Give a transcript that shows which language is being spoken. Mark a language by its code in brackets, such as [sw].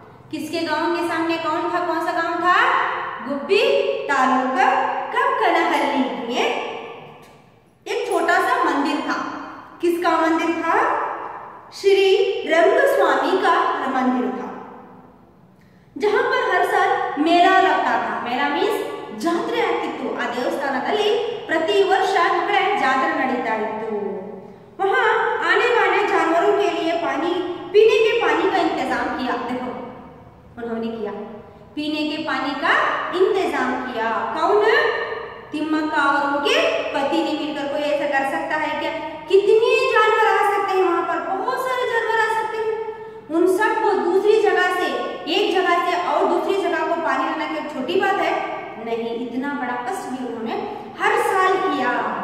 [hi] किसके गांव के सामने कौन था, कौन सा गांव था, गुब्बी तालुका का कनहल्ली में एक छोटा सा मंदिर था। किसका मंदिर था, श्री रंग स्वामी का मंदिर था, जहां पर हर साल मेला लगता था। मेला मीन्स जात्रे ಆಗಿತ್ತು। [kn] ಆ ದೇವಸ್ಥಾನದಲ್ಲಿ ಪ್ರತಿ ವರ್ಷ ಜಾತ್ರೆ ನಡೀತಾ ಇತ್ತು। [hi] वहां आने वाले जानवरों के लिए पानी, पीने के पानी का इंतजाम किया, देखो उन्होंने किया पीने के पानी का इंतजाम किया। कौन, तिम्मका और उनके पति ने मिलकर, कोई ऐसा कर सकता है क्या, कितने जानवर आ सकते हैं वहां पर, बहुत सारे जानवर आ सकते हैं, उन सब को दूसरी जगह से, एक जगह से और दूसरी जगह को पानी लाना क्या छोटी बात है, नहीं, इतना बड़ा कष्ट भी उन्होंने हर साल किया।